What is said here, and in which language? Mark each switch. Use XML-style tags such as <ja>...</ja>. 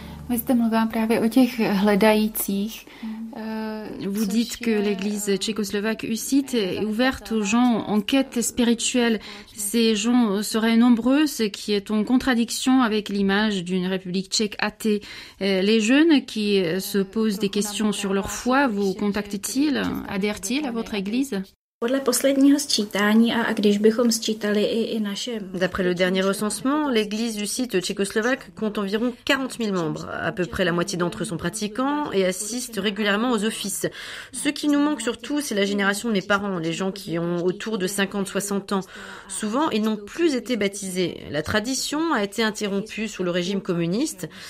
<cs>Vy jste mluvila právě o těch hledajících.</cs> <fr>Vous dites que l'église tchécoslovaque Husite est ouverte aux gens en quête spirituelle. Ces gens seraient nombreux, ce qui est en contradiction avec l'image d'une République tchèque athée. Les jeunes qui se posent des questions sur leur foi, vous contactent-ils, adhèrent-ils à votre église?</fr> <cs>Podle posledního sčítání a když bychom sčítali i naše...</cs> <fr>D'après le dernier recensement, l'église du site tchécoslovaque compte environ 40 000 membres. À peu près la moitié d'entre eux sont pratiquants et assistent régulièrement aux offices. Ce qui nous manque surtout, c'est la génération de mes parents, les gens qui ont autour de 50-60 ans. Souvent, ils n'ont plus été baptisés. La tradition a été interrompue sous le régime communiste.</fr>